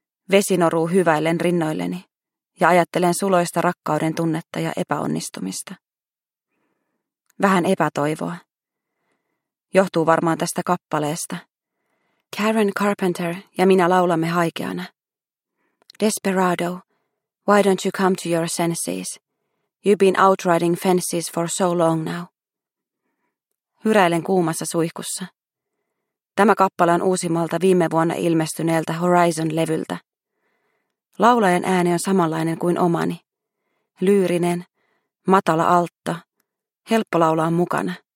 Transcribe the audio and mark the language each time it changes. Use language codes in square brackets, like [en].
[fi] Vesi noruu hyväillen rinnoilleni ja ajattelen suloista rakkauden tunnetta ja epäonnistumista. Vähän epätoivoa. Johtuu varmaan tästä kappaleesta. Karen Carpenter ja minä laulamme haikeana. [en] Desperado, why don't you come to your senses? You've been out riding fences for so long now. [fi] Hyräilen kuumassa suihkussa. Tämä kappale on uusimmalta viime vuonna ilmestyneeltä Horizon-levyltä. Laulajan ääni on samanlainen kuin omani. Lyyrinen, matala altta, helppo laulaa mukana.